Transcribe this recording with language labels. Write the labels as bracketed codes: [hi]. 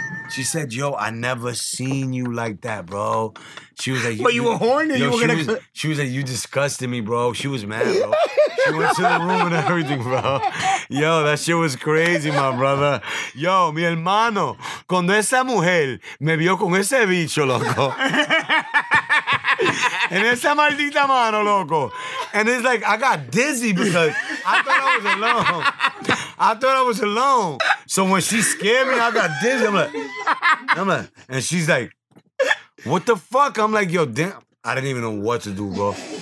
[en] She said, yo, I never seen you like that, bro. She was like, but you were horny. Yo, she was like, you disgusted me, bro. She was mad, bro. She went to the room and everything, bro. Yo, that shit was crazy, my brother. [es] Yo, mi hermano, cuando esa mujer me vio con ese bicho, loco. En esa maldita mano, loco. [en] And it's like, I got dizzy because I thought I was alone. So when she scared me, I got dizzy. I'm like, and she's like, what the fuck? I'm like, yo, damn. I didn't even know what to do, bro.